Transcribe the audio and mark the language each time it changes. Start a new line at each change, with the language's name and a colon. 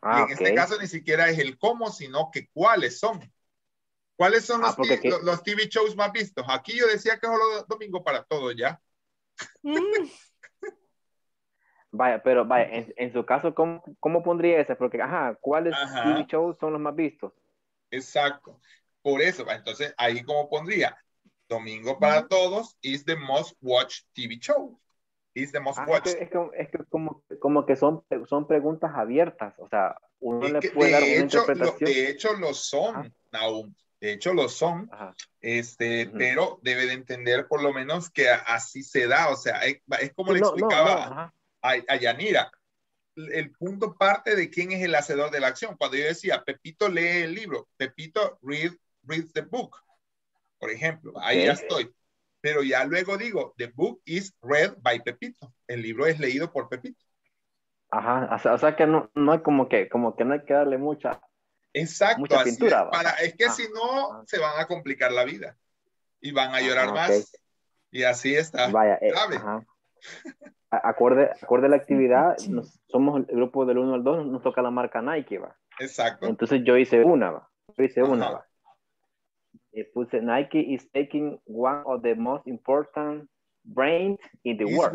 Spanish: Este caso ni siquiera es el cómo, sino que cuáles son. ¿Cuáles son los TV shows más vistos? Aquí yo decía que solo domingo para todo ya. Vaya, pero vaya, en su caso, ¿cómo pondría esa? Porque, ajá, ¿cuáles TV shows son los más vistos? Exacto. Por eso, entonces, ahí cómo pondría.
English: Domingo para todos is the most watched TV show. Is the most watched.
Spanish: Es que como que son preguntas abiertas. O sea, uno es le puede dar una interpretación. De hecho lo son. Pero debe de entender por lo menos que así se da. O sea, es como le explicaba. A Yanira, el punto parte de quién es el hacedor de la acción. Cuando yo decía, Pepito lee el libro,
English: Pepito read the book,
Spanish: por ejemplo, ahí ya estoy. Pero ya luego digo,
English: the book is read by Pepito.
Spanish: El libro es leído por Pepito. Ajá, o sea que no hay como que no hay que darle mucha. Exacto, mucha pintura, así si no, se van a complicar la vida y van a llorar más. Y así está. Vaya, grave. Acorde a la actividad, somos el grupo del 1 al 2, nos toca la marca Nike, va. Exacto. Entonces yo hice una. Puse
English: Nike is taking one of the most important brands in the world.